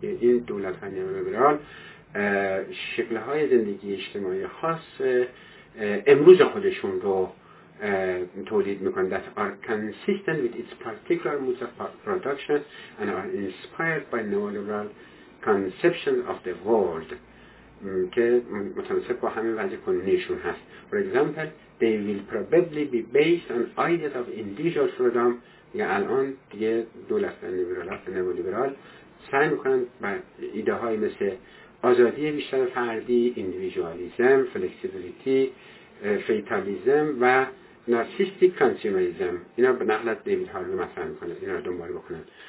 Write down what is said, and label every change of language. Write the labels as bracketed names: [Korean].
[Persian] این دولت های نئولیبرال شکل‌های زندگی اجتماعی خاص امروز خودشون رو تولید میکنند. [English] That are consistent with its particular modes of production and are inspired by neoliberal conception of the world. [Persian] که متناسب با همین وضع کنونیشون هست. [English] For example, they will probably be based on ideas of individual freedom. [Persian] یعنی الان دیگه دولت نئولیبرال سعی میکنند ایده های مثل آزادی بیشتر فردی، اندیویژوالیزم، فلکسیبیلیتی، فیتالیزم و نارسیستیک کانسیومریزم، اینا به نقل از دیوید هارلو مطرح میکنه، اینا رو دنبال بکنن.